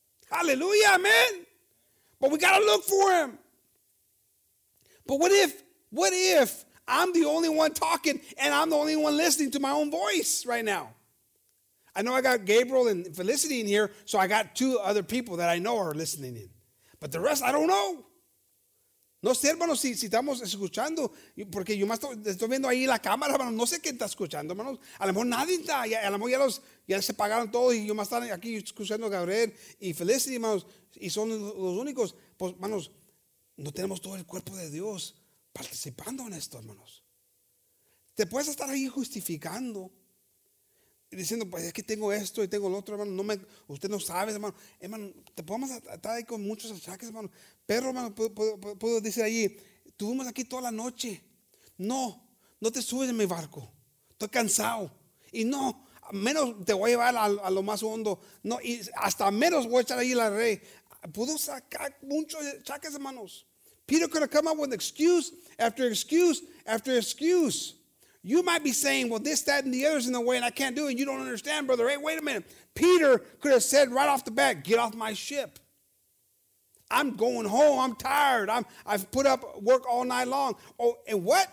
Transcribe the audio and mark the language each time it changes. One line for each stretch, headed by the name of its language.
English: Hallelujah, amen. But we got to look for him. But what if I'm the only one talking and I'm the only one listening to my own voice right now? I know I got Gabriel and Felicity in here, so I got two other people that I know are listening in. But the rest, I don't know.
Spanish: No sé, hermano, si estamos escuchando, porque yo más estoy viendo ahí la cámara, hermano. No sé quién está escuchando, hermano. A lo mejor nadie está, a lo mejor ya se pagaron todos y yo más estoy aquí escuchando a Gabriel y Felicity, hermanos, y son los únicos. Pues, hermanos, no tenemos todo el cuerpo de Dios participando en esto, hermanos. Te puedes estar ahí justificando y diciendo, pues es que tengo esto y tengo lo otro, hermano. Usted no sabe, hermano. Hermano, te podemos estar ahí con muchos achaques, hermano. Pero, hermano, puedo decir allí, estuvimos aquí toda la noche. No te subes en mi barco. Estoy cansado. Y no, menos te voy a llevar a lo más hondo. No, y hasta menos voy a echar ahí la red. Pudo sacar muchos achaques, hermanos.
English: Peter could have come up with excuse after excuse after excuse. You might be saying, well, this, that, and the other's in the way, and I can't do it. You don't understand, brother. Hey, wait a minute. Peter could have said right off the bat, get off my ship. I'm going home. I'm tired. I've put up work all night long. Oh, and what?